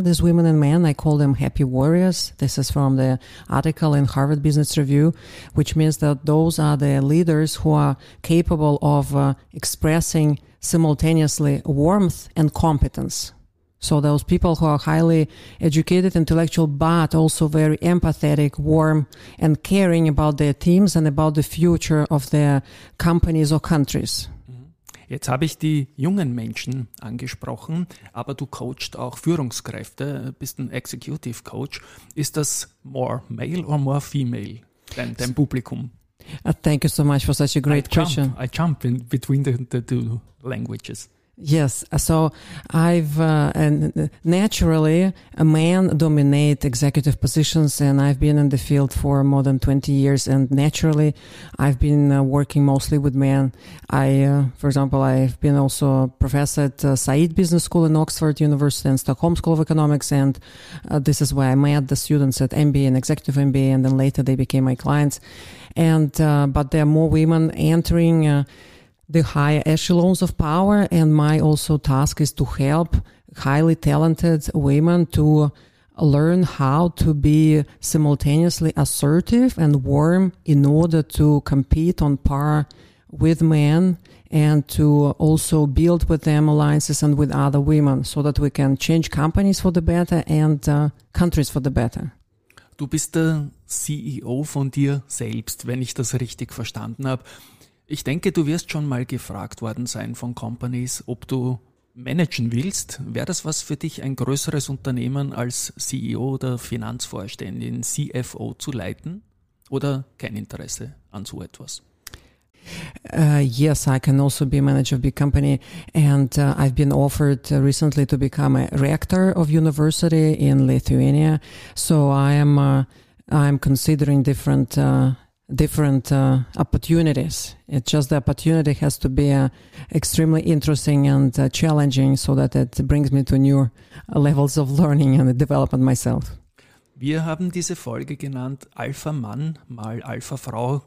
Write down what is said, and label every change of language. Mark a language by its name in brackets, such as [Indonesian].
[English] These women and men, I call them happy warriors. This is from the article in Harvard Business Review, which means that those are the leaders who are capable of expressing simultaneously warmth and competence. So those people who are highly educated, intellectual, but also very empathetic, warm, and caring about their teams and about the future of their companies or countries. [German] Jetzt habe ich die jungen Menschen angesprochen, aber du coachst auch Führungskräfte, bist ein Executive Coach. Ist das [English] more male or more female, [German] dein Publikum? [English] Thank you so much for such a great question. I jump in between the two languages. Yes, so naturally a man dominate executive positions, and I've been in the field for more than 20 years, and naturally I've been working mostly with men. I've been also a professor at Said Business School in Oxford University and Stockholm School of Economics, and this is where I met the students at MBA and Executive MBA, and then later they became my clients. But there are more women entering the higher echelons of power, and my also task is to help highly talented women to learn how to be simultaneously assertive and warm in order to compete on par with men, and to also build with them alliances and with other women so that we can change companies for the better and countries for the better. [German] Du bist der CEO von dir selbst, wenn ich das richtig verstanden habe. Ich denke, du wirst schon mal gefragt worden sein von Companies, ob du managen willst. Wäre das was für dich, ein größeres Unternehmen als CEO oder Finanzvorständin, CFO zu leiten? Oder kein Interesse an so etwas? [English] Yes, I can also be a manager of a big company. And I've been offered recently to become a rector of university in Lithuania. So I'm considering different opportunities. It's just the opportunity has to be extremely interesting and challenging, so that it brings me to new levels of learning and development myself. [German] Wir haben diese Folge genannt Alpha Mann mal Alpha Frau.